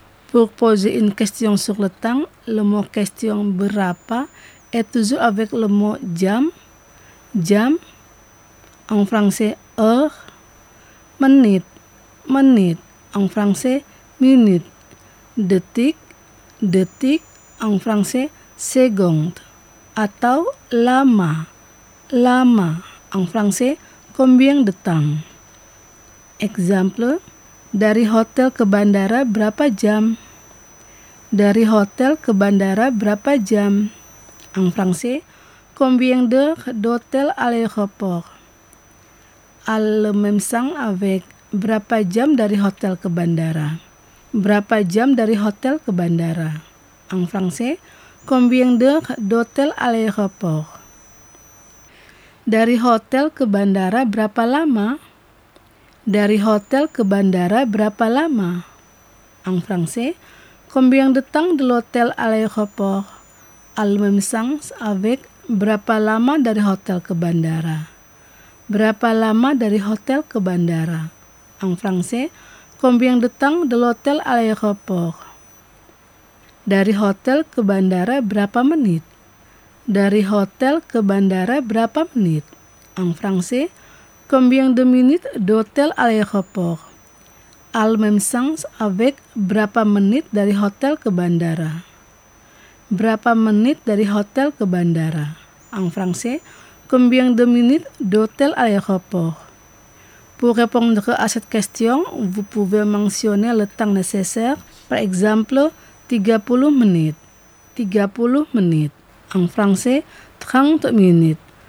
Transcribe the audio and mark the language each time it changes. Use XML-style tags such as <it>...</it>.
<fr>Pour poser une question sur le temps, le mot question berapa est toujours avec le mot jam, jam, en français heure, menit, menit, en français minute, détic, détic, en français seconde,</fr> <id>atau lama, lama,</id> <fr>en français combien de temps.</fr> <id>Exemple, dari hotel ke bandara berapa jam? Dari hotel ke bandara berapa jam?</id> <fr>En français, combien d'heures d'hôtel à l'aéroport? À le même sens avec</fr> <id>berapa jam dari hotel ke bandara? Berapa jam dari hotel ke bandara?</id> <fr>En français, combien d'heures d'hôtel à l'aéroport?</fr> <id>Dari hotel ke bandara berapa lama? Dari hotel ke bandara berapa lama?</id> <fr>En français, combien de temps de l'hôtel à l'aéroport? Al même sens avec</fr> <id>berapa lama dari hotel ke bandara? Berapa lama dari hotel ke bandara?</id> <fr>En français, combien de temps de l'hôtel à l'aéroport?</fr> <id>Dari hotel ke bandara berapa menit? Dari hotel ke bandara berapa menit?</id> <fr>En français, combien de minutes d'hôtel à l'aéroport? Al même sens avec</fr> <id>berapa menit dari hotel ke bandara? Berapa menit dari hotel ke bandara?</id> <fr>En français, combien de minutes d'hôtel à l'aéroport? Pour répondre à cette question, vous pouvez mentionner le temps nécessaire, par exemple 30 menits. 30 menits. En français, 30 minutes.</fr>